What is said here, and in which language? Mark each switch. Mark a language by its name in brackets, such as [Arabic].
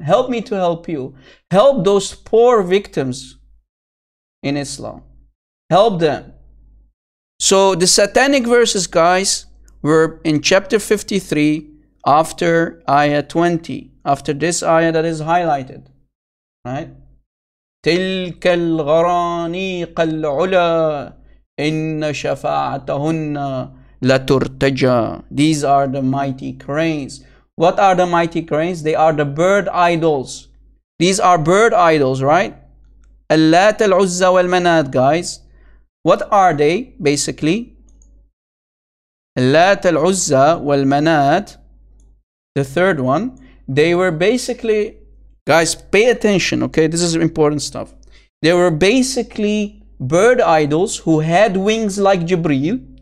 [English] Help me to help you. Help those poor victims in Islam. Help them. So the satanic verses, guys, were in chapter 53 after ayah 20, after this ayah that is highlighted, right? [Arabic] تلك الغرانيق العلا إن شفاعتهن لترتجى. [English] These are the mighty cranes. What are the mighty cranes? They are the bird idols. These are bird idols, right? [Arabic] اللات العزة والمنات, guys. [English] What are they, basically? اللات العزة والمنات, the third one. They were basically, guys, pay attention, okay? This is important stuff. They were basically bird idols who had wings like Jibreel.